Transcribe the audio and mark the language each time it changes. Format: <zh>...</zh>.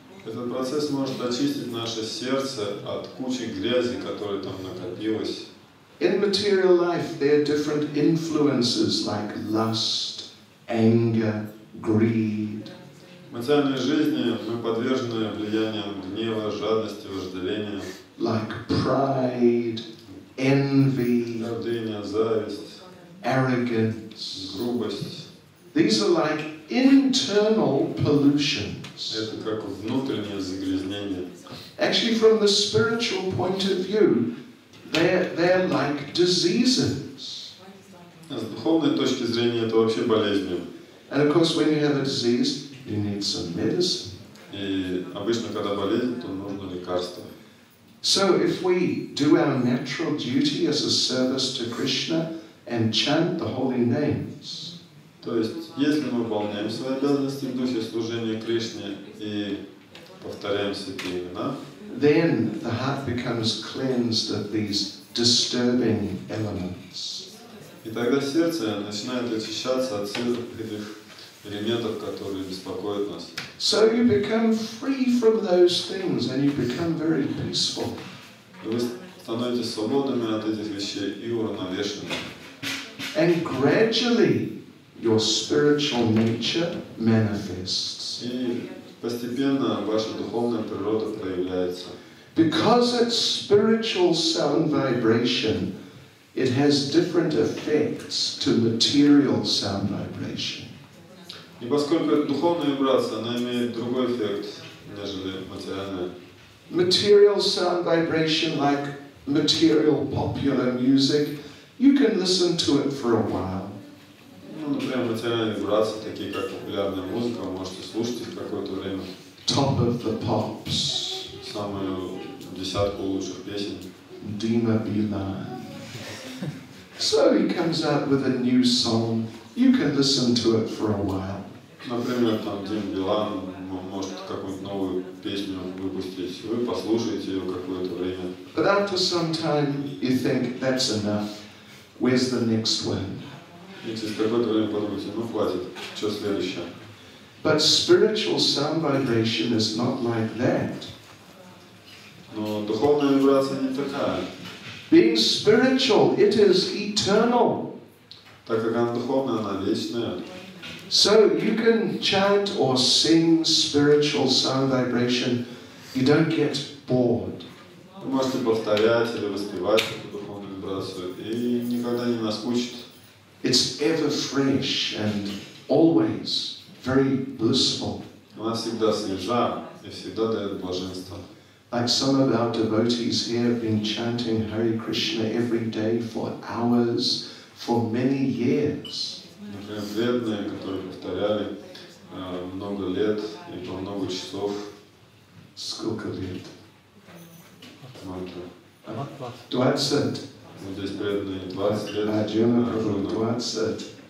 <ru>Этот процесс может очистить наше сердце от кучи грязи, которая там накопилась.</ru> <en>In material life there are different influences like lust, anger, greed.</en> <ru>В материальной жизни мы подвержены влиянием гнева, жадности, вожделения.</ru> <en>Like pride, envy,</en> <ru>гордыня, зависть,</ru> <en>arrogance,</en> <ru>грубость.</ru> <en>These are like internal pollutions.</en> <ru>Это как внутреннее загрязнение.</ru> <en>Actually, from the spiritual point of view, they're like diseases.</en> <ru>С духовной точки зрения это вообще болезни.</ru> <en>And of course, when you have a disease, you need some medicine.</en> <ru>И обычно, когда болезнь, то нужно лекарство.</ru> <en>So if we do our natural duty as a service to Krishna and chant the holy names.</en> <ru>То есть, если мы выполняем свои обязанности в духе служения Кришне и повторяем святые имена,</ru> <en>then the heart becomes cleansed of these disturbing elements.</en> <ru>И тогда сердце начинает очищаться от всех этих элементов, которые беспокоят нас.</ru> <en>So you become free from those things and you become very peaceful.</en> <ru>И вы становитесь свободными от этих вещей и уравновешенными.</ru> <en>And gradually, your spiritual nature manifests.</en> <ru>И постепенно ваша духовная природа проявляется.</ru> <en>Because it's spiritual sound vibration, it has different effects to material sound vibration.</en> <ru>И поскольку это духовная вибрация, она имеет другой эффект, нежели материальная.</ru> <en>Material sound vibration, like material popular music, you can listen to it for a while.</en> <ru>Ну, например, материальные вибрации, такие как популярная музыка, вы можете слушать их какое-то время.</ru> <en>Top of the Pops.</en> <ru>Самую десятку лучших песен. Дима Билан.</ru> <en>So he comes out with a new song, you can listen to it for a while.</en> <ru>Например, там Дима Билан может какую-нибудь новую песню выпустить. Вы послушаете ее какое-то время.</ru> <en>But after some time you think, that's enough. Where's the next one?</en> <ru>И через какое-то время подумаете, ну хватит, что следующее?</ru> <en>But spiritual sound vibration is not like that.</en> <ru>Но духовная вибрация не такая.</ru> <en>Being spiritual, it is eternal.</en> <ru>Так как она духовная, она вечная.</ru> <en>So you can chant or sing spiritual sound vibration, you don't get bored.</en> <ru>Вы можете повторять или воспевать эту духовную вибрацию, и никогда не наскучит.</ru> <en>It's ever fresh and always very blissful.</en> <ru>Она всегда свежа и всегда дает блаженство.</ru> <en>Like some of our devotees here have been chanting Hare Krishna every day for hours, for many years.</en> <ru>Например, преданные, которые повторяли много лет и по много часов. Сколько лет? Мантра. 20. Вот здесь преданные 20 лет. Аджуна Прабху, 20.</ru>